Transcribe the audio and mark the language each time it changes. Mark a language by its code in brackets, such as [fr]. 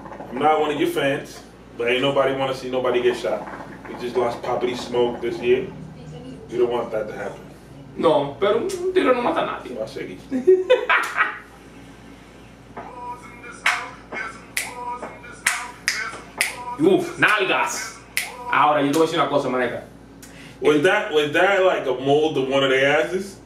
[en] I'm not one of your fans, but ain't nobody want to see nobody get shot. We just lost Poppy Smoke this year. You don't want that to happen. [es] No, pero un tiro no mata a nadie. Va a seguir. Uf, nalgas. Ahora, yo te voy a decir una cosa, maneca. [en] Was that like a mold of one of their asses?